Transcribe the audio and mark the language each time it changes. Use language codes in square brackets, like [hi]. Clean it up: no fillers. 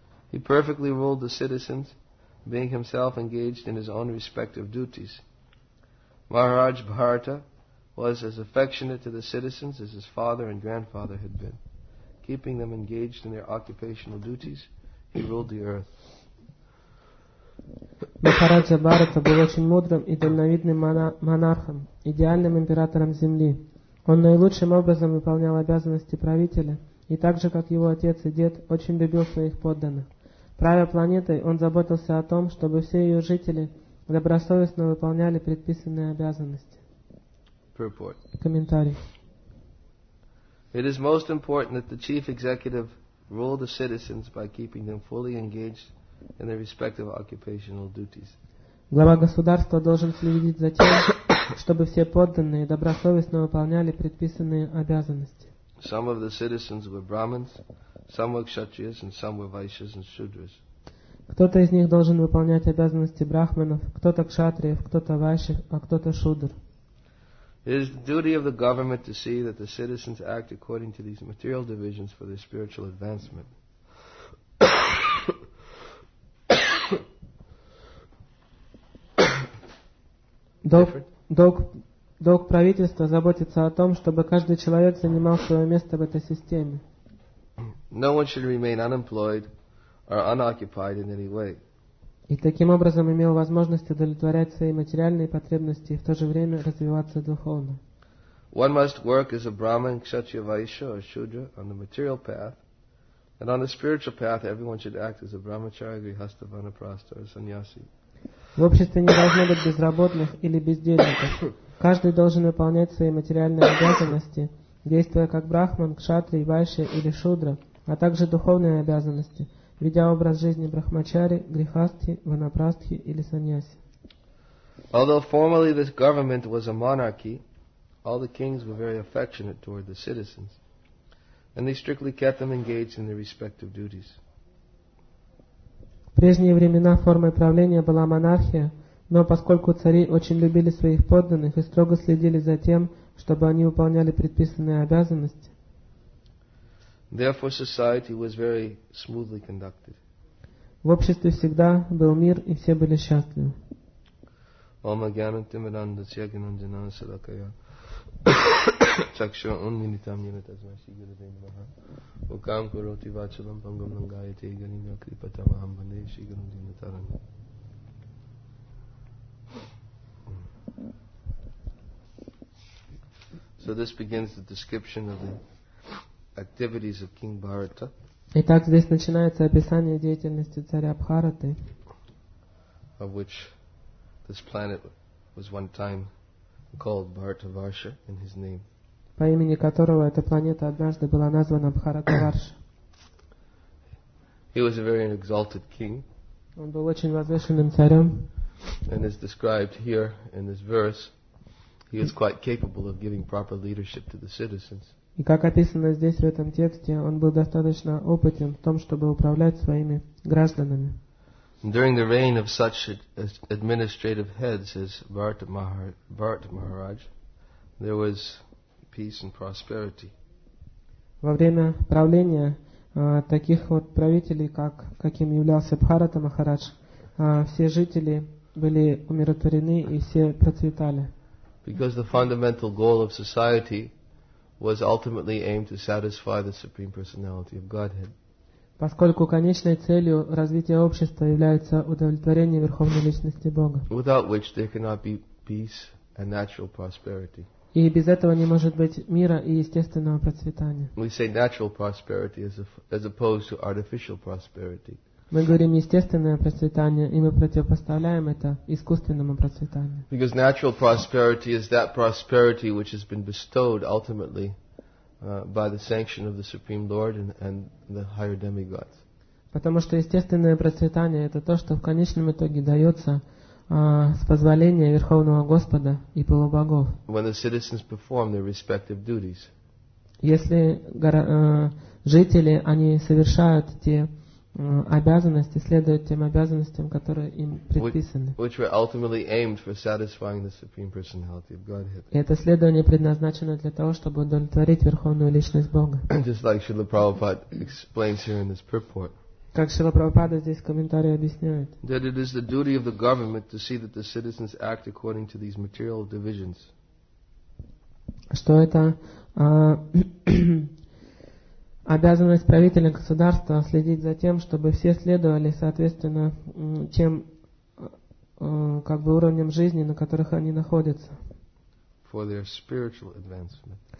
[en] He perfectly ruled the citizens, being himself engaged in his own respective duties. Maharaj Bharata was as affectionate to the citizens as his father and grandfather had been. Keeping them engaged in their occupational duties, he ruled the earth. [ru] Maharaj Bharata был очень мудрым и дальновидным монархом, идеальным императором земли. Он наилучшим образом выполнял обязанности правителя, и так же, как его отец и дед, очень любил своих подданных. Правя планетой, он заботился о том, чтобы все ее жители добросовестно выполняли предписанные обязанности. [en] Purport. [ru] Комментарий. [en] It is most important that the chief executive rule the citizens by keeping them fully engaged in their respective occupational duties. [ru] Глава государства должен следить за тем, чтобы все подданные добросовестно выполняли предписанные обязанности. [en] Some of the citizens were Brahmins, some were Kshatriyas, and some were Vaishyas and Shudras. [ru] Кто-то из них должен выполнять обязанности брахманов, кто-то кшатриев, кто-то вайшев, а кто-то шудр. [en] It is the duty of the government to see that the citizens act according to these material divisions for their spiritual advancement. [ru] Долг правительства заботиться о том, чтобы каждый человек занимал свое место в этой системе. [en] No one should remain unemployed or unoccupied in any way. [ru] И таким образом имел возможность удовлетворять свои материальные потребности и в то же время развиваться духовно. [en] One must work as a Brahmin, Kshatriya, Vaishya, or Shudra on the material path, and on the spiritual path everyone should act as a Brahmachari, Grihastha, Vanaprastha, or Sannyasi. [ru] В обществе не должно быть безработных или бездельников. Каждый должен выполнять свои материальные обязанности, действуя как брахман, кшатрий, вайшья или шудра, а также духовные обязанности, ведя образ жизни брахмачари, грихастхи, ванапрастхи или саньяси. [en] Although formerly this government was a monarchy, all the kings were very affectionate toward the citizens, and they strictly kept them engaged in their respective duties. [ru] В прежние времена формой правления была монархия, но поскольку цари очень любили своих подданных и строго следили за тем, чтобы они выполняли предписанные обязанности, therefore society was very smoothly conducted. В обществе всегда был мир, и все были счастливы. [sa] Ом агьянанте мирандасья гьянанджанана салакая чакшва уннинитам нинатазма сигурадеймаха Укам куроти вачалам пангам нангайя тейганинья крипатам ахамбане сигурадеймаха. [en] So this begins the description of the activities of King Bharata. [ru] Итак, здесь начинается описание деятельности царя Бхараты. [en] of which this planet was one time called Bharatavarsha in his name. [ru] По имени которого эта планета однажды была названа Бхаратаварша. [en] He was a very exalted king. [ru] Он был очень возвышенным царем. [en] And is described here in this verse, he is quite capable of giving proper leadership to the citizens. [ru] И как описано здесь в этом тексте, он был достаточно опытен в том, чтобы управлять своими гражданами. [en] During the reign of such administrative heads as Bharata Maharaj, there was peace and prosperity. [ru] Во время правления таких вот правителей, каким являлся Бхарата Махарадж, все жители были умиротворены и все процветали. [en] Because the fundamental goal of society was ultimately aimed to satisfy the Supreme Personality of Godhead. [ru] Поскольку конечной целью развития общества является удовлетворение Верховной Личности Бога. [en] Without which there cannot be peace and natural prosperity. [ru] И без этого не может быть мира и естественного процветания. [en] We say natural prosperity as opposed to artificial prosperity. [ru] Мы говорим естественное процветание, и мы противопоставляем это искусственному процветанию. [en] Because natural prosperity is that prosperity which has been bestowed ultimately by the sanction of the Supreme Lord and the higher demigods. [ru] Потому что естественное процветание — это то, что в конечном итоге дается с позволения Верховного Господа и полубогов. [en] When the citizens perform their respective duties. [ru] Если жители, они совершают те обязанности, следуют тем обязанностям, которые им предписаны. [en] Which were ultimately aimed for satisfying the Supreme Personality of Godhead. [ru] Это следование предназначено для того, чтобы удовлетворить Верховную Личность Бога. [en] Just like Srila Prabhupada explains here in this purport. [ru] Как Шрила Прабхупада здесь в комментарии объясняет. [en] That it is the duty of the government to see that the citizens act according to these material divisions. [ru] Что это обязанность правителя государства следить за тем, чтобы все следовали соответственно тем как бы уровням жизни, на которых они находятся. [en] For their spiritual advancement.